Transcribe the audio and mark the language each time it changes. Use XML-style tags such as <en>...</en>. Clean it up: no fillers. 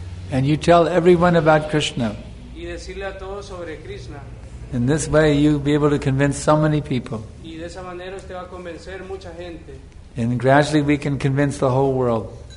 <en>And you tell everyone about Krishna. In this way, you'll be able to convince so many people.</en> <es>De esa manera usted va a convencer mucha gente.</es> <en>And gradually we can convince the whole world.</en>